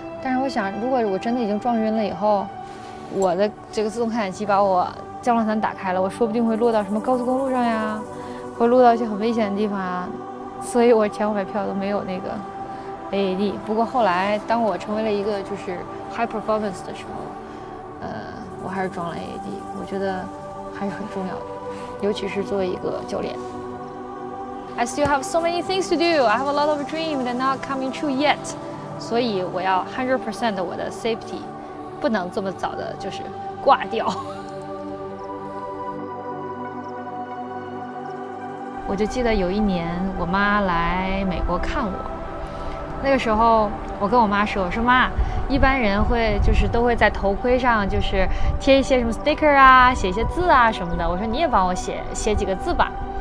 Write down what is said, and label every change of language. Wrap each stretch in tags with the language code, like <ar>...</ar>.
<zh>但是我想，如果我真的已经撞晕了以后，我的这个自动开伞器把我降落伞打开了，我说不定会落到什么高速公路上呀，会落到一些很危险的地方啊。所以我前500跳都没有那个AED， 不过后来当我成为了一个就是 high performance 的时候，我还是装了 AED， 我觉得还是很重要的，尤其是作为一个教练。</zh> <en>I still have so many things to do. I have a lot of dreams that not coming true yet.</en> <zh>所以我要 100% 我的 safety， 不能这么早的就是挂掉。我就记得有一年我妈来美国看我。那个时候我跟我妈说，我说妈，一般人会就是都会在头盔上就是贴一些什么 sticker 啊，写一些字啊什么的，我说你也帮我写几个字吧。</zh>